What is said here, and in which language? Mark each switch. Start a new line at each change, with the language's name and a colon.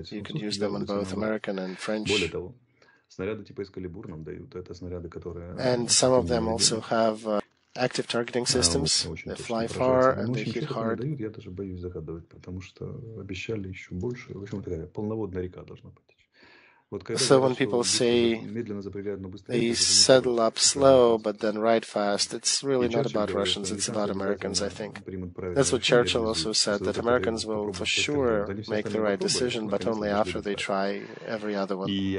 English: You can use them on both American and French.
Russian: Более того, снаряды типа Excalibur нам дают. Это снаряды, которые.
English: And some of them also have active targeting systems. They fly far and they hit hard.
Russian: Я даже боюсь загадывать, потому что обещали еще больше. В общем, такая полноводная река должна быть.
English: So when people say they settle up slow but then ride fast, it's really not about Russians, it's about Americans, I think. That's what Churchill also said, that Americans will for sure make the right decision, but only after they try every other one.